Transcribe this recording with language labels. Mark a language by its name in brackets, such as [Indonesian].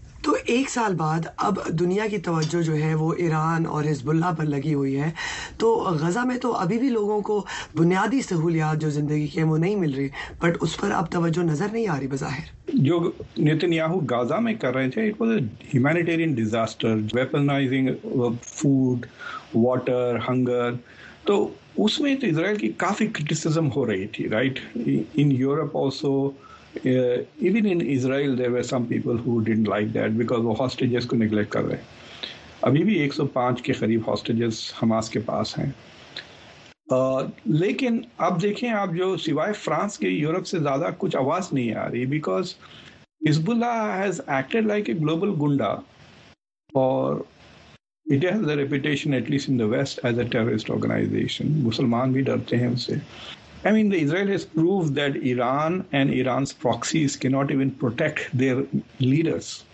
[Urdu] تو ایک سال بعد اب دنیا کی توجہ جو ہے وہ ایران اور حزب اللہ پر لگی ہوئی ہے, تو غزہ میں تو ابھی بھی لوگوں کو بنیادی سہولیات جو زندگی کی ہیں وہ نہیں مل رہی, بٹ اس پر اب توجہ نظر نہیں آ رہی بظاہر. جو نیتن یاہو غزہ میں کر رہے تھے, [English] it was a humanitarian disaster, weaponizing food, water, hunger, [Urdu] تو اس میں تو اسرائیل کی کافی کرٹیسزم ہو رہی تھی, [English] Right, in Europe also. Even in Israel, there were some people who didn't like that because [Urdu] وہ hostages کو neglect کر رہے ہیں. ابھی بھی 105 کے قریب hostages حماس کے پاس ہیں. لیکن اب دیکھیں آپ, جو سوائے فرانس کے یورپ سے زیادہ کچھ آواز نہیں آ رہی, [English] Because Hezbollah has acted like a global goonda, اور it has a reputation at least in the west as a terrorist organisation. [Urdu] مسلمان بھی ڈرتے ہیں اس سے. [English] I mean, the Israel has proved that Iran and Iran's proxies cannot even protect their leaders.